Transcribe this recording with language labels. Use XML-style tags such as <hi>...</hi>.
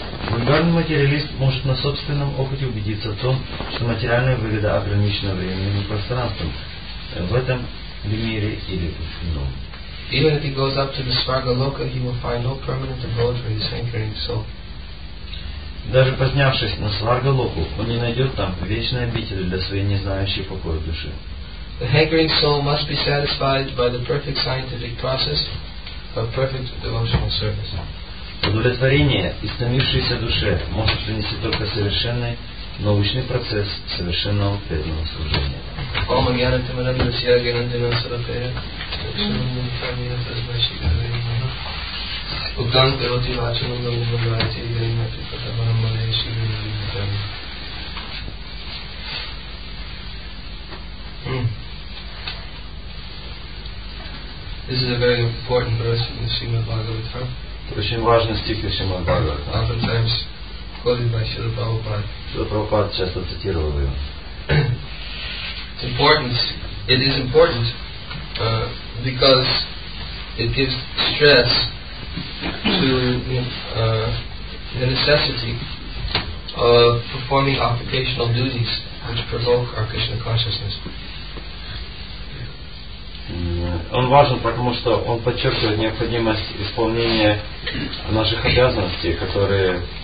<ru>Вульгарный материалист может на собственном опыте убедиться в том, что материальная выгода ограничена временем и пространством. В этом мире или в ином.</ru> <en>Even if he goes up to the Svarga Loka, he will find no permanent abode for his hankering soul.</en> <ru>Даже поднявшись на Сварга Локу, он не найдет там вечной обители для своей незнающей покоя души.</ru> <en>The hankering soul must be satisfied by the perfect scientific process of perfect devotional service.</en> <ru>Удовлетворение истомившейся душе может принести только совершенный научный процесс совершенного преданного служения. Ом агьянатам анандасия агьянандинам сарапея Акшанандам фамия фазбаши гавейна Угдан пироти вачанандам убагайте Игарина припатабарам малейши гавейна Дамы</ru> <en>This is a very important verse in the Srimad Bhagavatam.</en> <ru>Очень важный стих из Шримад Бхагаватам.</ru> <en>Oftentimes quoted by Śrīla Prabhupāda.</en> <ru>Śrīla Prabhupāda часто цитировал его.</ru> <en>It's important. It is important because it gives stress to the necessity of performing occupational duties which provoke our Krishna consciousness.</en> <ru>Он важен, потому что он подчеркивает необходимость исполнения наших обязанностей, которые</ru>